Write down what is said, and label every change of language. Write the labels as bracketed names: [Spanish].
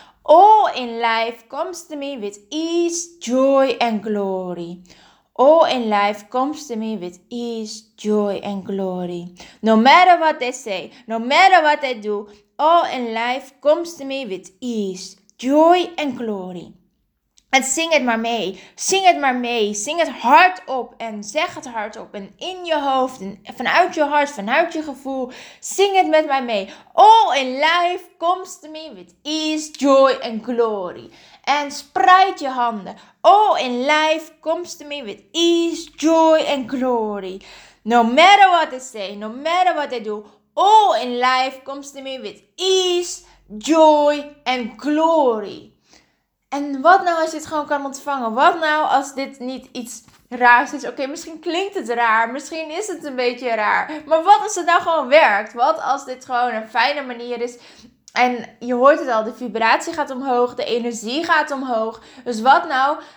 [English] All in life comes to me with ease, joy and glory. All in life comes to me with ease, joy and glory. No matter what they say, no matter what they do, all in life comes to me with ease, joy and glory. [Dutch] En zing het maar mee. Zing het maar mee. Zing het hardop en zeg het hardop. En in je hoofd en vanuit je hart, vanuit je gevoel. Zing het met mij mee. [English] All in life comes to me with ease, joy and glory. [Dutch] En spreid je handen. [English] All in life comes to me with ease, joy and glory. No matter what they say, no matter what they do. All in life comes to me with ease, joy and glory. [Dutch] En wat nou als je het gewoon kan ontvangen? Wat nou als dit niet iets raars is? Oké, misschien klinkt het raar. Misschien is het een beetje raar. Maar wat als het nou gewoon werkt? Wat als dit gewoon een fijne manier is? En je hoort het al, de vibratie gaat omhoog. De energie gaat omhoog. Dus wat nou?